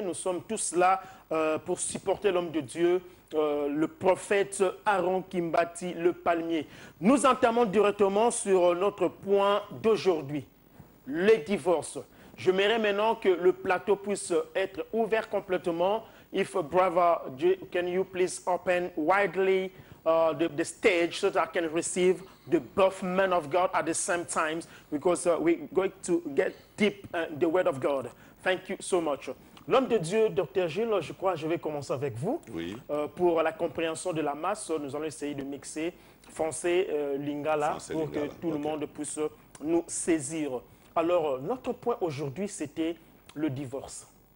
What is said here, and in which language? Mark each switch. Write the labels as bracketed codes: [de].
[fr] Nous sommes tous là pour supporter l'homme de Dieu, le prophète Aaron Kimbati, le palmier. Nous entamons directement sur notre point d'aujourd'hui, les divorces. J'aimerais maintenant que le plateau puisse être ouvert complètement. [en] If Brother, can you please open widely the stage so that I can receive the both men of God at the same time, because we're going to get deep the word of God. Thank you so much. [fr] L'homme de Dieu, docteur Gilles, je crois que je vais commencer avec vous. Oui. Pour la compréhension de la masse, nous allons essayer de mixer français Lingala Français pour que tout le Lingala, monde puisse nous saisir. Alors, notre point aujourd'hui, c'était le divorce.